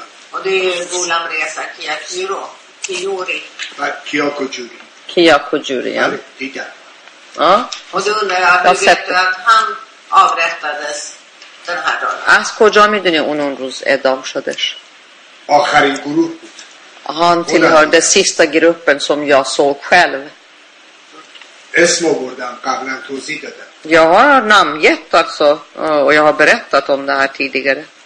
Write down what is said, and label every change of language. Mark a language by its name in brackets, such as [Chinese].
[Swedish] Och det är Gulam Reza Kiyakiro Kiyori. Kiyakujuri. Kiyakujuri, ja. Och då undrar jag, hur vet du att han avrättades den här dagen? [Persian] از کجا میدونی اون روز اعدام شدش؟ آخرین گروه بود. [Swedish] Han tillhör den sista gruppen som jag såg själv. [Persian] اسمو بردم قبلا توضیح دادم. [Swedish] Jag har namngett alltså och jag har berättat om det här tidigare.